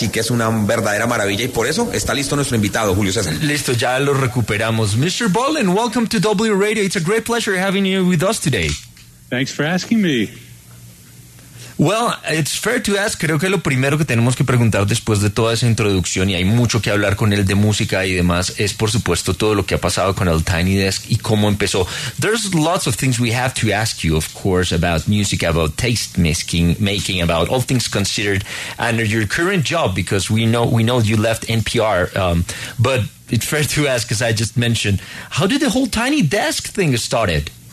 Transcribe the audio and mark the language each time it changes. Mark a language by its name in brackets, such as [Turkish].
[Spanish] Sí que es una verdadera maravilla y por eso está listo nuestro invitado, Julio César. Listo, ya lo recuperamos. [English] Mr. Bolin, welcome to W Radio. It's a great pleasure having you with us today. Thanks for asking me. Well, it's fair to ask, [Spanish] creo que lo primero que tenemos que preguntar después de toda esa introducción, y hay mucho que hablar con él de música y demás, es por supuesto todo lo que ha pasado con el Tiny Desk y cómo empezó. [English] There's lots of things we have to ask you, of course, about music, about taste making, about all things considered, and your current job, because we know you left NPR, but it's fair to ask, as I just mentioned, how did the whole Tiny Desk thing started?